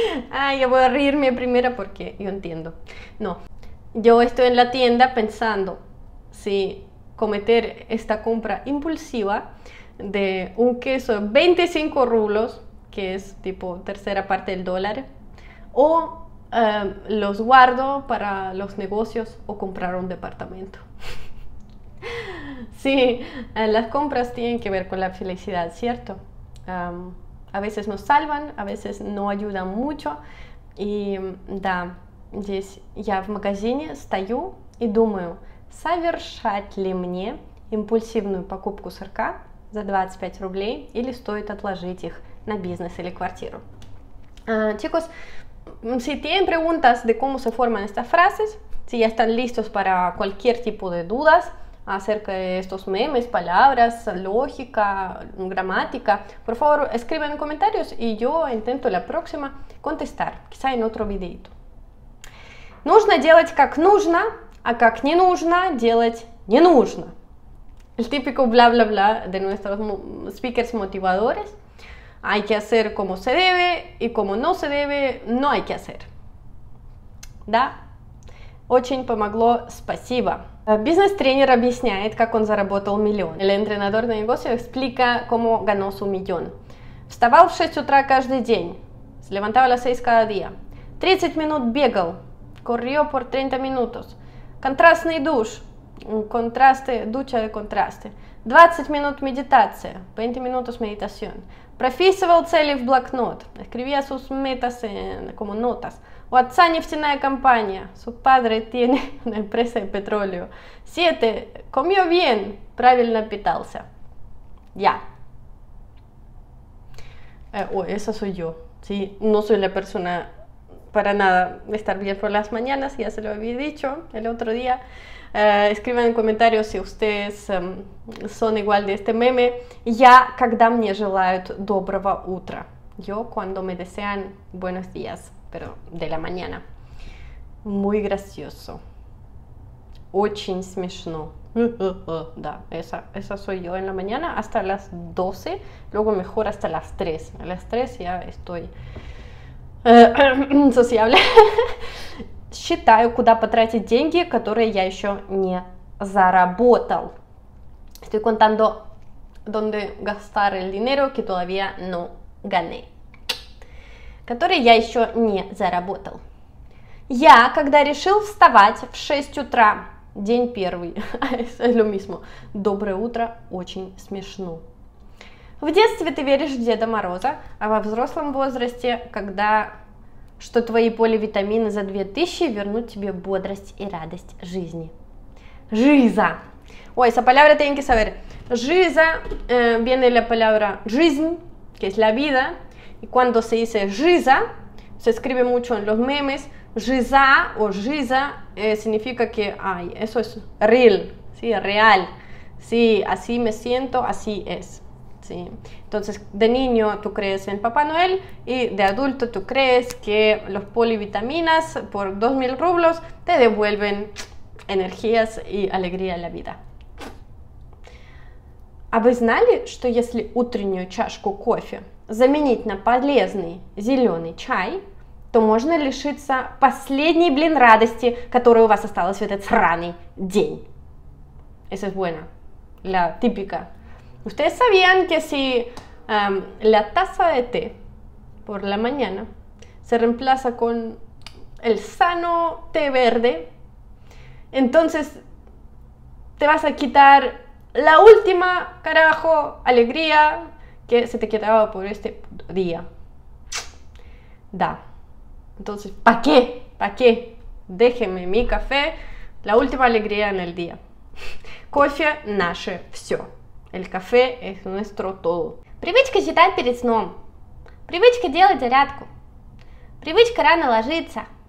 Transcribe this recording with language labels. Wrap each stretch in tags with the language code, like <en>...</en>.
<es>Ay, yo voy a reírme primero porque yo entiendo. No, yo estoy en la tienda pensando si cometer esta compra impulsiva de un queso de 25 rublos, que es tipo tercera parte del dólar, o los guardo para los negocios o comprar un departamento. Sí, las compras tienen que ver con la felicidad, ¿cierto? A veces nos salvan, a veces no ayudan mucho.</es> <ru>Y да, здесь я в магазине стою и думаю, совершать ли мне импульсивную покупку сырка за 25 рублей или стоит отложить их на бизнес или квартиру.</ru> <es>Chicos, si tienen preguntas de cómo se forman estas frases, si ya están listos para cualquier tipo de dudas acerca de estos memes, palabras, lógica, gramática, por favor, escriban en comentarios y yo intento la próxima contestar, quizá en otro videito.</es> <ru>Нужно делать как нужно, а как не нужно делать не нужно.</ru> <es>El típico bla bla bla de nuestros speakers motivadores. Hay que hacer como se debe y como no se debe, no hay que hacer.</es> <ru>¿Да? Очень помогло, спасибо. Бизнес-тренер объясняет, как он заработал миллион.</ru> <es>El entrenador de negocio explica cómo ganó su millón.</es> <ru>Вставал в 6 утра каждый день.</ru> <es>Se levantaba a las 6 cada día.</es> <ru>30 минут бегал.</ru> <es>Corrió por 30 minutos.</es> <ru>Контрастный душ. Контрасты,</ru> <es>ducha de contraste.</es> <ru>20 минут медитация. 20 минутов медитación. Прописывал цели в блокнот.</ru> <es>Escribía sus metas como notas.</es> <ru>У отца нефтяная компания.</ru> <es>Su padre tiene una empresa de petróleo. 7. Comió bien.</es> <ru>Правильно питался.</ru> <es>Ya. Esa soy yo. Sí, no soy la persona para nada de estar bien por las mañanas. Ya se lo había dicho el otro día. Escriban en comentarios si ustedes son igual de este meme.</es> <ru>Ya, когда мне желают доброго утра.</ru> <es>Yo, cuando me desean buenos días. Pero de la mañana. Muy gracioso.</es> <ru>Очень смешно.</ru> <es>Да, esa soy yo en la mañana hasta las 12. Luego mejor hasta las 3. A las 3 ya estoy sociable.</es> <ru>Считаю, куда потратить деньги, которые я еще не заработал.</ru> <es>Estoy contando dónde gastar el dinero que todavía no gané.</es> <ru>который я еще не заработал. Я, когда решил вставать в 6 утра, день первый,</ru> <es>lo mismo,</es> <ru>доброе утро, очень смешно. В детстве ты веришь в Деда Мороза, а во взрослом возрасте, когда, что твои поливитамины за 2000 вернут тебе бодрость и радость жизни. Жиза.</ru> <es>Ой, esa palabra tienen que saber. Жиза, viene la palabra жизнь, que es la vida, y cuando se dice жиза, se escribe mucho en los memes, жиза o жиза significa que, ay, eso es real, sí, real, sí, así me siento, así es. Sí. Entonces, de niño tú crees en Papá Noel y de adulto tú crees que los polivitaminas por 2000 rublos te devuelven energías y alegría a la vida.</es> <ru>А вы знали, что если утреннюю чашку кофе заменить на полезный зеленый чай, то можно лишиться последней, блин, радости, которая у вас осталась в этот сраный день?</ru> <es>Esa es buena, la típica. Ustedes sabían que si la taza de té por la mañana se reemplaza con el sano té verde, entonces te vas a quitar la última, carajo, alegría que se te quedaba por este día. Da. Entonces, ¿pa' qué? ¿Pa' qué? Déjeme mi café, la última alegría en el día.</es> <ru>Кофе наше все.</ru> <es>El café es nuestro todo.</es> <ru>Привычка читать перед сном. Привычка делать зарядку. Привычка рано ложиться.</ru>